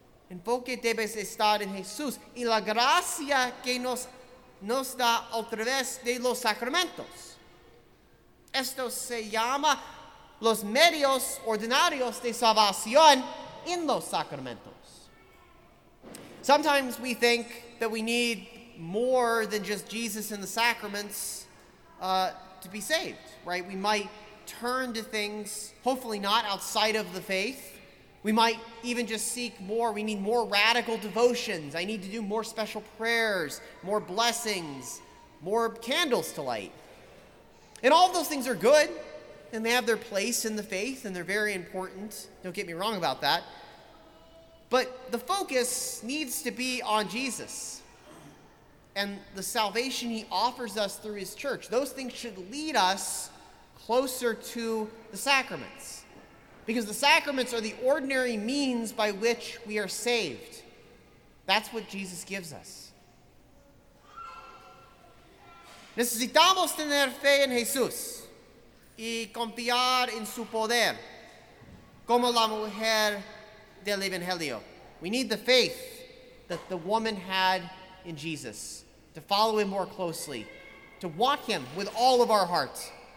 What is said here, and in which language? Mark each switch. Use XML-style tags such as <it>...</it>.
<es>El enfoque debe estar en Jesús y la gracia que nos da a través de los sacramentos. Esto se llama los medios ordinarios de salvación en los sacramentos.</es> <en>Sometimes we think that we need more than just Jesus and the sacraments to be saved, right? We might turn to things, hopefully not outside of the faith. We might even just seek more. We need more radical devotions. I need to do more special prayers, more blessings, more candles to light. And all of those things are good. And they have their place in the faith, and they're very important. Don't get me wrong about that. But the focus needs to be on Jesus and the salvation he offers us through his church. Those things should lead us closer to the sacraments, because the sacraments are the ordinary means by which we are saved. That's what Jesus gives us.</en> <es>Necesitamos tener fe en Jesús y confiar en su poder, como la mujer del Evangelio.</es> <en>We need the faith that the woman had in Jesus, to follow him more closely, to want him with all of our hearts.</en>